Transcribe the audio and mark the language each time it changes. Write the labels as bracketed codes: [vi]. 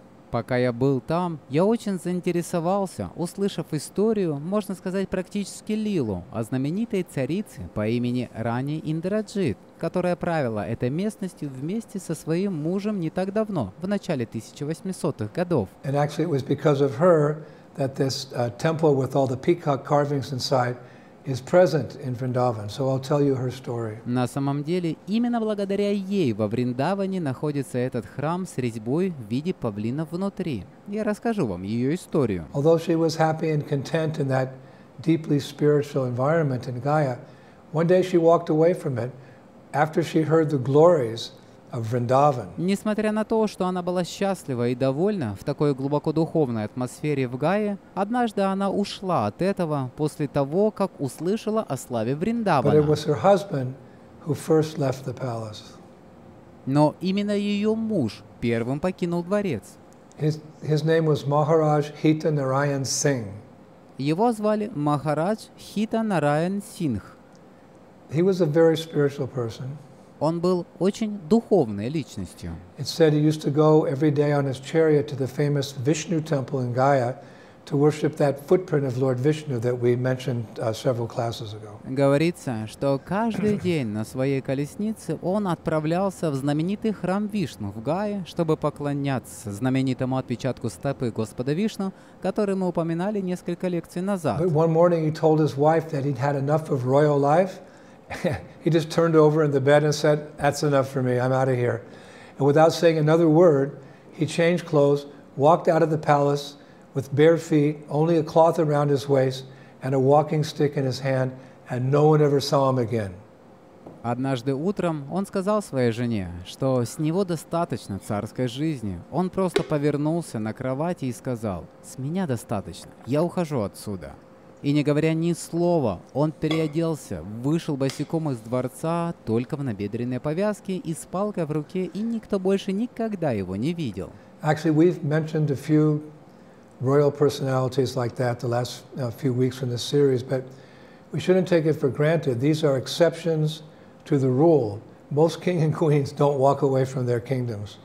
[ru] Пока я был там, я очень заинтересовался, услышав историю, можно сказать, практически лилу, о знаменитой царице по имени Рани Индраджит, которая правила этой местностью вместе со своим мужем не так давно, в начале 1800-х годов. [en] And actually, it was because of her that this temple with all the peacock carvings inside is present in Vrindavan, so I'll tell you her story. [ru] На самом деле, именно благодаря ей во Вриндаване находится этот храм с резьбой в виде павлинов внутри. Я расскажу вам ее историю. [en] Although she was happy and content in that deeply spiritual environment in Gaya, one day she walked away from it after she heard the glories of Vrindavan. [ru] Несмотря на то, что она была счастлива и довольна в такой глубоко духовной атмосфере в Гае, однажды она ушла от этого после того, как услышала о славе Вриндавана. [en] But it was her husband who first left the palace. [ru] Но именно ее муж первым покинул дворец. [en] His name was Maharaj Hita Narayan Singh. [ru] Его звали Махарадж Хита Нараян Сингх. [en] He was a very spiritual person. [ru] Он был очень духовной личностью. [en] It said he used to go every day on his chariot to the famous Vishnu temple in Gaya to worship that footprint of Lord Vishnu that we mentioned several classes ago. [ru] Говорится, что каждый день на своей колеснице он отправлялся в знаменитый храм Вишну в Гае, чтобы поклоняться знаменитому отпечатку стопы Господа Вишну, который мы упоминали несколько лекций назад. [en] But one morning he told his wife that he'd had enough of royal life. He just turned over in the bed and said, "That's enough for me. I'm out of here." And without saying another word, he changed clothes, walked out of the palace with bare feet, only a cloth around his waist, and a walking stick in his hand, and no one ever saw him again. [ru] Однажды утром он сказал своей жене, что с него достаточно царской жизни. Он просто повернулся на кровати и сказал, «С меня достаточно, я ухожу отсюда». И не говоря ни слова, он переоделся, вышел босиком из дворца, только в набедренной повязке и с палкой в руке, и никто больше никогда его не видел. [en] Actually, we've mentioned a few royal personalities like that the last few weeks in this series, but we shouldn't take it for granted. These are exceptions to the rule. Most kings and queens don't walk away from their kingdoms.